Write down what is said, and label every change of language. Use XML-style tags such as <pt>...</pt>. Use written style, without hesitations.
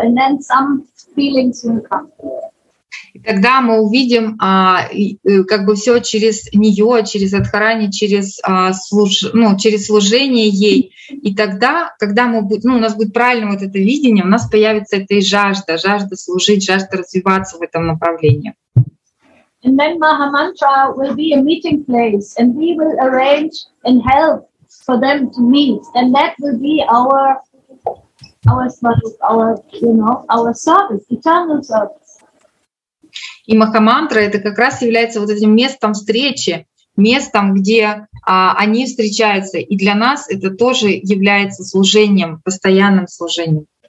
<en>And then some feelings will come.</en> <ru>И тогда мы увидим как бы все через нее, через Радхарани, через служение ей. И тогда, когда мы будем, ну, у нас будет правильно вот это видение, у нас появится эта и жажда служить, жажда развиваться в этом направлении.</ru> <en>And then Mahamantra will be a meeting place, and we will arrange and help for them to meet. And that will be our service, eternal service.</en> <ru>И Махамантра — это как раз является вот этим местом встречи, местом, где они встречаются. И для нас это тоже является служением, постоянным служением.</ru>